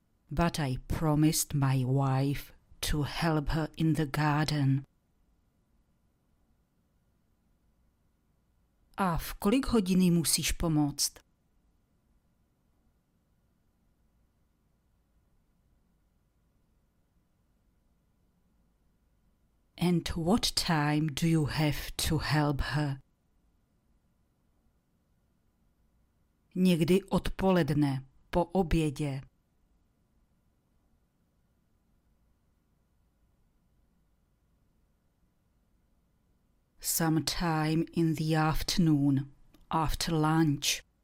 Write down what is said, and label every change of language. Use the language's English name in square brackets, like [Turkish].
[English] But I promised my wife to help her in the garden. [Czech] A v kolik hodin musíš pomoct? [English] And what time do you have to help her? [Czech] Někdy odpoledne, po obědě. [English] Sometime in the afternoon, after lunch.